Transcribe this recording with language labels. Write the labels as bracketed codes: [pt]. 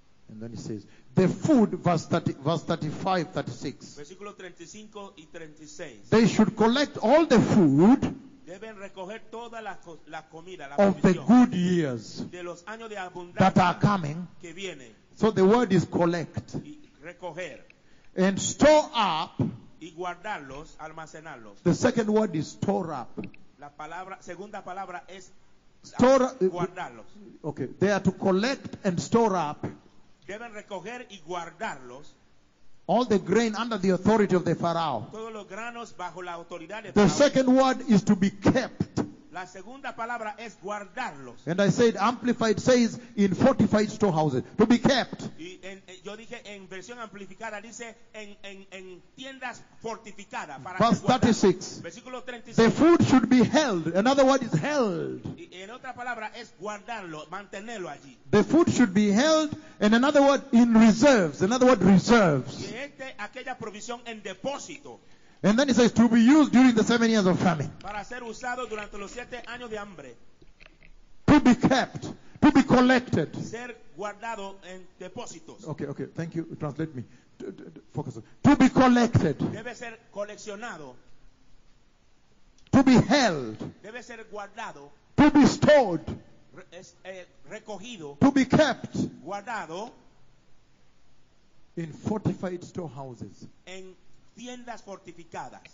[en] And then he says, the food, verse 35, 36. [es] Versículo 35 y 36. [en] They should collect all the food. [es] Deben recoger toda la comida, la [en] of the good years. [es] De los años de abundancia [en] that are coming. [es] Que viene. [en] So the word is collect. [es] Recoger. [en] And store up. [es] Y guardarlos, almacenarlos. [en] The second word is store up. [es] La palabra, segunda palabra es [en] store, [es] guardarlos. [en] Okay. They are to collect and store up. [es] Deben recoger y guardarlos. [en] All the grain under the authority of the Pharaoh. [es] Todos los granos bajo la autoridad de Pharaoh. [en] The second word is to be kept. [es] La segunda palabra es guardarlos. [en] And I said, Amplified says, in fortified storehouses, to be kept. [es] Y en, yo dije, en versión amplificada dice, en tiendas fortificadas. Para [en] verse 36. [es] Versículo 36. [en] The food should be held. Another word is held. [es] Y en otra palabra es guardarlo, mantenerlo allí. [en] The food should be held. And another word, in reserves. Another word, reserves. [es] Y este, aquella provisión en depósito. [en] And then he says, to be used during the 7 years of famine. [es] Para ser usado durante los siete años de hambre. [en] To be kept. To be collected. [es] Ser guardado en depósitos. [en] Okay. Thank you. Translate me. Focus on. To be collected. [es] Debe ser coleccionado. [en] To be held. [es] Debe ser guardado. [en] To be stored. [es] Recogido. [en] To be kept. [es] Guardado. [en] In fortified storehouses. [es] En tiendas fortificadas,